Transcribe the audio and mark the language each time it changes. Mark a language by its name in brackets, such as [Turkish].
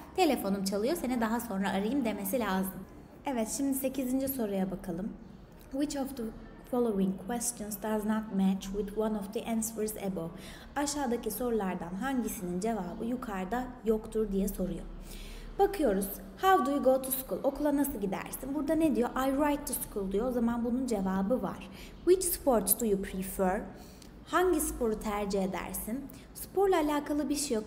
[Turkish] Telefonum çalıyor, seni daha sonra arayayım demesi lazım. Evet, şimdi 8. soruya bakalım. [English] Which of the following questions does not match with one of the answers above? [Turkish] Aşağıdaki sorulardan hangisinin cevabı yukarıda yoktur diye soruyor. Bakıyoruz. [English] How do you go to school? [Turkish] Okula nasıl gidersin? Burada ne diyor? [English] I ride to school [Turkish] diyor. O zaman bunun cevabı var. [English] Which sport do you prefer? [Turkish] Hangi sporu tercih edersin? Sporla alakalı bir şey yok.